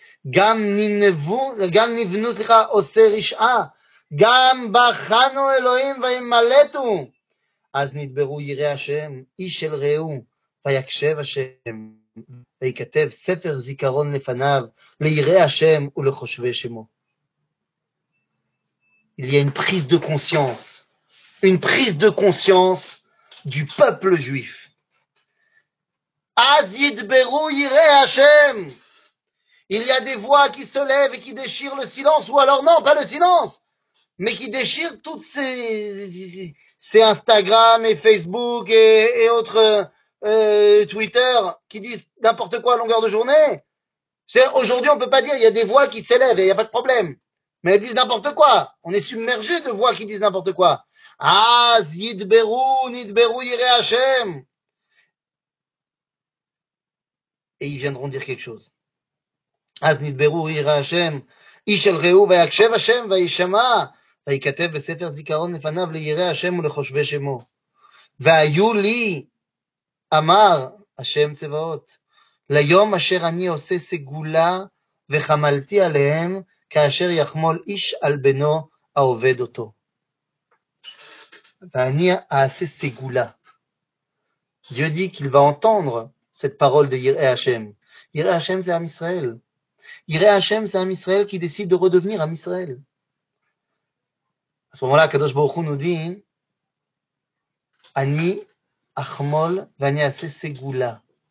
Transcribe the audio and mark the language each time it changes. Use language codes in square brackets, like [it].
[he] גם נבנו לך עושה רשעה, גם בחנו אלוהים וימלטו, אז נדברו ירא השם, איש אל רעהו, ויקשב השם, ויכתב ספר זיכרון לפניו, לירא השם ולחושבי שמו. [fr] Il y a une prise de conscience du peuple juif. [he] אז ידברו ירא השם. [fr] Il y a des voix qui se lèvent et qui déchirent le silence, ou alors non, pas le silence, mais qui déchirent toutes ces Instagram et Facebook et autres Twitter qui disent n'importe quoi à longueur de journée. C'est, aujourd'hui, on ne peut pas dire, il y a des voix qui s'élèvent et il n'y a pas de problème. Mais elles disent n'importe quoi. On est submergé de voix qui disent n'importe quoi. Ah, [he] Zidberu, Nidberu, Yire Hashem. [fr] Et ils viendront dire quelque chose. [he] אז נדברו ירא השם, איש אל רעהו, ויקשב השם, וישמע, ויכתב בספר זיכרון לפניו לירא השם ולחושבי שמו. והיו לי, אמר השם צבאות, ליום אשר אני עושה סגולה, וחמלתי עליהם, כאשר יחמול איש על בנו העובד אותו. ואני אעשה סגולה. [fr] Dieu dit qu'il va entendre cette parole de יראי השם. [he] יראי השם זה עם ישראל. [fr] Yireh Hashem, c'est un Israël qui décide de redevenir un Israël. À ce moment-là, Kadosh Baruch Hu nous dit [he] Ani Achmol Vani Ase Segula.